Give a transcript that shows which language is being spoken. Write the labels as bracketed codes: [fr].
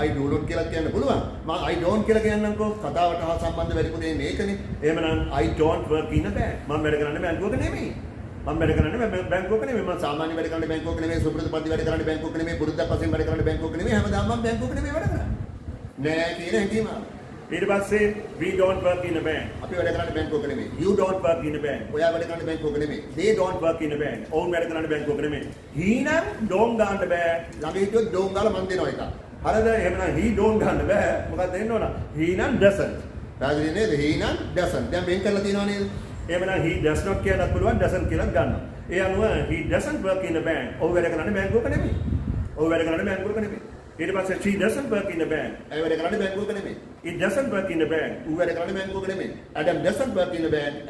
[si] I do not කියලා කියන්න පුළුවන්. මං I don't කියලා කියන්නම්කෝ. කතාවට හා සම්බන්ධ වෙරිපුනේ මේකනේ. එහෙමනම් [en] I don't work in a bank. [si] මම වැඩ කරන්නේ බැංකුවක නෙමෙයි. මම වැඩ කරන්නේ බැංකුවක නෙමෙයි. මම සාමාන්‍ය වැඩ කරන්නේ බැංකුවක නෙමෙයි. සුපුරුදු පරිදි වැඩ කරන්නේ බැංකුවක නෙමෙයි. පුරුද්දක් වශයෙන් වැඩ කරන්නේ බැංකුවක නෙමෙයි. හැමදාම මම බැංකුවක නෙමෙයි වැඩ කරන්නේ. නෑ කියන හැටිම. ඊට පස්සේ [en] we don't work in a bank. [si] අපි වැඩ කරන්නේ බැංකුවක නෙමෙයි. [en] You don't work in a bank. [si] ඔයා වැඩ කරන්නේ බැංකුවක නෙමෙයි. [en] They don't work in a bank. [si] ඔවුන් වැඩ කරන්නේ බැංකුවක නෙමෙයි. He නම් don't ගන්න බෑ. ළඟ හිටියොත් don't ගාලා මන් දෙනවා එක. හරිද එහෙමනම් he don't ගන්න බෑ මොකක්ද එන්න ඕන he නම් doesn't පැහැදිලි නේද he නම් doesn't දැන් මෙන් කරලා තියනවා නේද එහෙමනම් he does not කියලත් පුළුවන් doesn't කියලත් ගන්න ඒ අනුව [en] he doesn't work in the bank [si] ඔව් වැඩ කරන්නේ බැංකුවක නෙමෙයි ඔව් වැඩ කරන්නේ බැංකුවක නෙමෙයි ඊට පස්සේ [en] she doesn't work in the bank [si] ඒ වැඩ කරන්නේ බැංකුවක නෙමෙයි [en] It doesn't work in the bank. Who are the bank of name? Adam doesn't work in the bank.